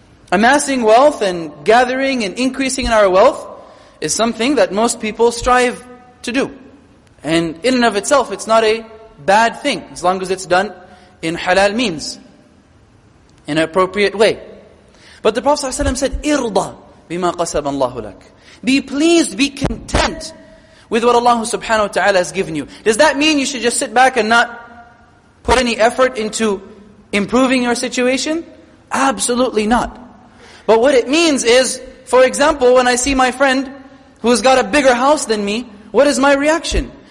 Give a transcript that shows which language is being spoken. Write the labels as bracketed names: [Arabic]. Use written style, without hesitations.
[English] Amassing wealth and gathering and increasing in our wealth is something that most people strive to do. And in and of itself, it's not a bad thing, as long as it's done in halal means, in an appropriate way. But the Prophet ﷺ said, [Arabic] إِرْضَى بِمَا قَسَبَ اللَّهُ لَكَ. [English] Be pleased, be content with what Allah subhanahu wa ta'ala has given you. Does that mean you should just sit back and not put any effort into improving your situation? Absolutely not. But what it means is, for example, when I see my friend who's got a bigger house than me, what is my reaction?